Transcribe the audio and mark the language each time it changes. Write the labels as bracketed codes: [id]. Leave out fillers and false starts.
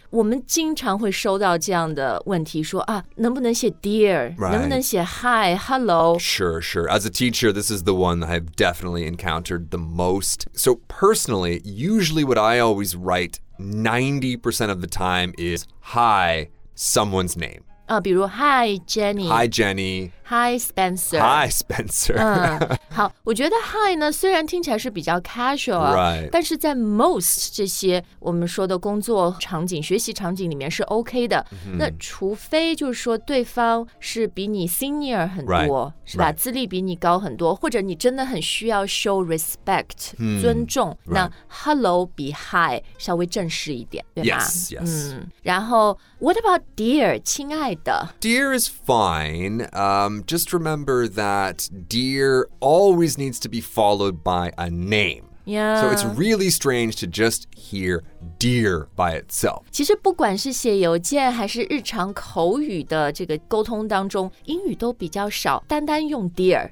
[zh] 我们经常会收到这样的问题说、啊、能不能写 dear、 [en] right. [zh] 能不能写 [en] hi, hello Sure. As a teacher, this is the one I've definitely encountered the most. So personally, usually what I always write 90% of the time is hi, someone's name. [zh] 比如 [en] Hi Jenny. Hi Jenny. Hi Spencer. Hi Spencer. [zh] 好，我觉得 Hi 呢，虽然听起来是比较 casual 啊， [en] right. [zh] 但是在 most 这些我们说的工作场景、学习场景里面是 OK 的。 Mm-hmm. 那除非就是说对方是比你 senior 很多， [en] right. [zh] 是吧？ [en] Right. [zh] 资历比你高很多，或者你真的很需要 [en] show respect、 mm-hmm. [zh] 尊重， [en] right. [zh] 那 Hello 比 Hi 稍微正式一点，对吗？ [en] Yes, yes.、 [zh] 嗯、然后 [en] What about dear, [zh] 亲爱？ [en] Dear is fine. Just remember that dear always needs to be followed by a name. Yeah. So it's really strange to just hear dear by itself. [zh] 其实不管是写邮件还是日常口语的这个沟通当中，英语都比较少单单用 dear.